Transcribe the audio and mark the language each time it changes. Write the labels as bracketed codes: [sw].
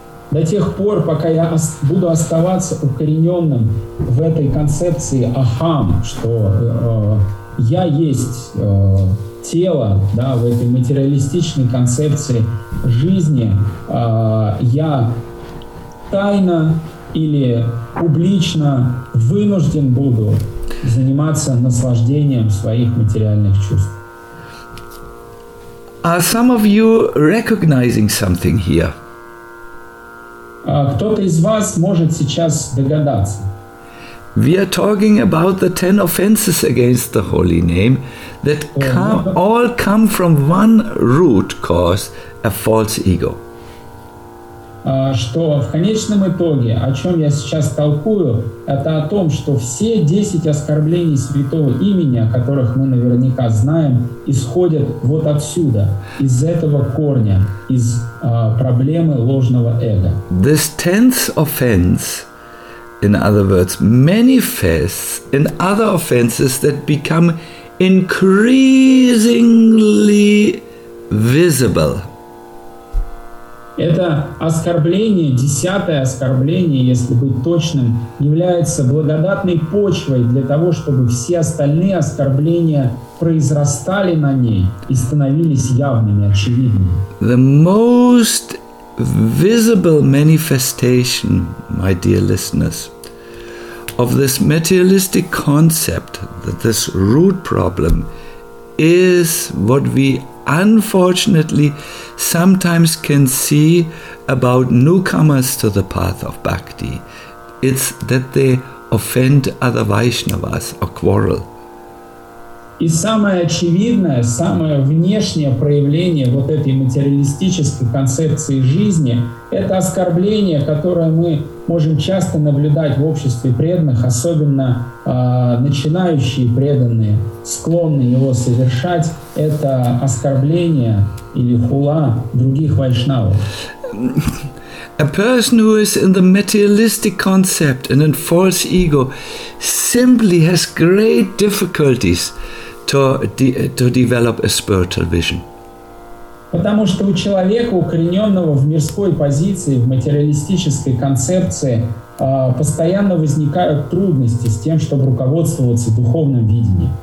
[ru] До тех пор, пока я буду оставаться укорененным в этой концепции ахам, что я есть тело, да, в этой материалистичной концепции жизни, я тайно или публично вынужден буду заниматься наслаждением своих материальных чувств. [en] Are some of you recognizing something here? [ru] Кто-то из вас может сейчас догадаться. [en] We are talking about the 10 offenses against the holy name that all come from one root cause, a false ego. [ru] Что в конечном итоге, о чем я сейчас толкую, это о том, что все 10 оскорблений святого имени, о которых мы наверняка знаем, исходят вот отсюда, из этого корня, из проблемы ложного эго. [en] This tenth offense, in other words, manifests in other offenses that become increasingly visible. [ru] Это оскорбление, десятое оскорбление, если быть точным, является благодатной почвой для того, чтобы все остальные оскорбления произрастали на ней и становились явными, очевидными. [en] The most visible manifestation, my dear listeners, of this materialistic concept, that this root problem, is what we unfortunately sometimes can see about newcomers to the path of bhakti. It's that they offend other Vaishnavas or quarrel. [ru] И самое очевидное, самое внешнее проявление вот этой материалистической концепции жизни – это оскорбление, которое мы можем часто наблюдать в обществе преданных, особенно начинающие преданные, склонные его совершать – это оскорбление или хула других вайшнавов. [en] A person who is in the materialistic concept and in false ego simply has great difficulties to develop a spiritual vision. [ru] Потому что у человека, укорененного в мирской позиции, в материалистической концепции, постоянно возникают трудности с тем, чтобы руководствоваться духовным видением.